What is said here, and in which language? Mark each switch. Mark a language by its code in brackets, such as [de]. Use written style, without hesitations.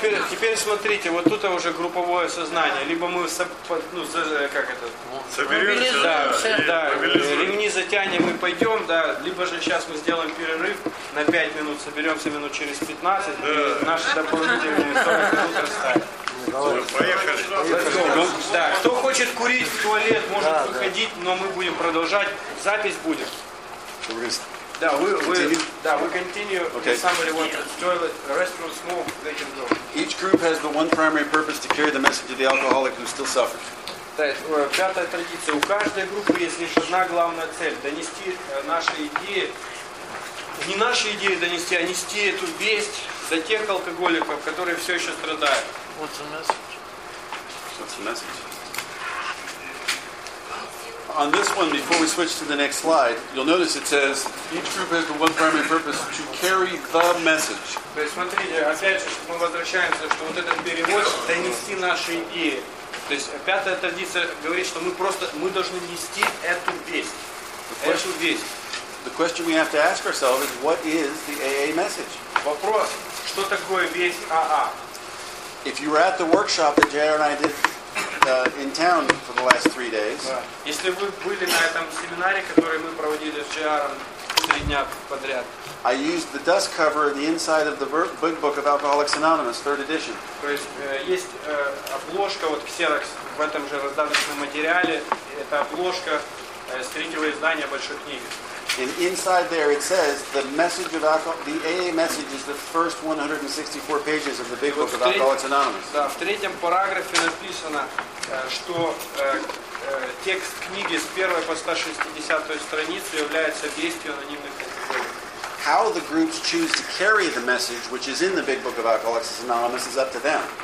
[ru] Теперь смотрите, вот тут уже групповое сознание. Либо мы ремни затянем и пойдем, да, либо же сейчас мы сделаем перерыв на 5 минут, соберемся минут через 15, и наши дополнительные 40 минут расставим. Поехали. Кто хочет курить в туалет, может выходить, но мы будем продолжать. Запись будет. [en] Each group has but one primary purpose: to carry the message to the alcoholic who still suffers. [ru] Пятая традиция. У каждой группы есть лишь одна главная цель: донести наши идеи. Не наши идеи донести, а нести эту весть до тех алкоголиков, которые все еще страдают. [en] What's the message? What's the message? On this one, before we switch to the next slide, you'll notice it says each group has the one primary purpose to carry the message. [ru] Смотрите, опять же, мы возвращаемся, что вот этот перевод донести наши идеи. То есть пятая традиция говорит, что мы должны нести эту весть. Эту весть. [en] The question we have to ask ourselves is what is the AA message? [ru] Вопрос, что такое весть АА? [en] If you were at the workshop that JR and I did in town for the last 3 days. [ru] Если вы были на этом семинаре, который мы проводили с JR 3 дня подряд. [en] I used the dust cover of the inside of the big book of Alcoholics Anonymous, 3rd edition. [ru] То есть есть обложка вот Xerox в этом же раздаточном материале. Это обложка с третьего издания большой книги. [en] And inside there it says the message of the AA message is the first 164 pages of the big book of Alcoholics Anonymous. [ru] Да, в третьем параграфе написано, что текст книги с первой по 160-ю страницу является вестью анонимных алкоголиков. [en] How the groups choose to carry the message which is in the big book of Alcoholics Anonymous is up to them.